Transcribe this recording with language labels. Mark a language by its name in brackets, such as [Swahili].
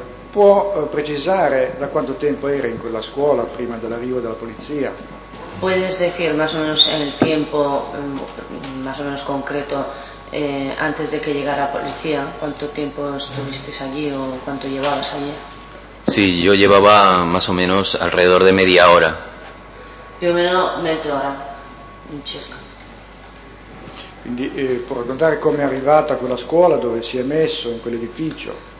[Italian] Può precisare da quanto tempo era in quella scuola prima dell'arrivo della polizia? [Spanish] Puedes decir más o menos el tiempo, más o menos concreto, antes de que llegara la policía, ¿cuánto tiempo estuviste allí o cuánto llevabas allí? Sí, yo llevaba más o menos alrededor de media hora. [Italian] Più o meno mezza ora, in circa. Quindi, [Spanish] ¿puedo contar cómo es [Italian] arrivata a quella scuola, dove si è messo, in quell'edificio?